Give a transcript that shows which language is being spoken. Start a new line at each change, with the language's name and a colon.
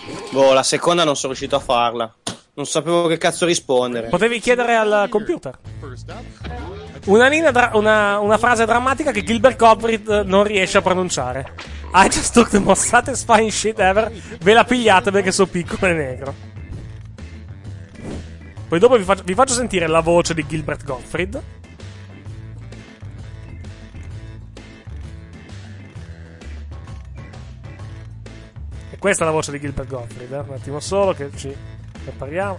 Italian: Boh, la seconda non sono riuscito a farla. Non sapevo che cazzo rispondere. Potevi chiedere al computer. Una frase drammatica che Gilbert Gottfried non riesce a pronunciare.
English: I just took the most satisfying shit ever.
Italian: Ve la pigliate perché sono piccolo e negro. Poi dopo vi faccio sentire la voce di Gilbert Gottfried. Questa è la voce di Gilbert Gottfried, eh? Un attimo solo che ci prepariamo.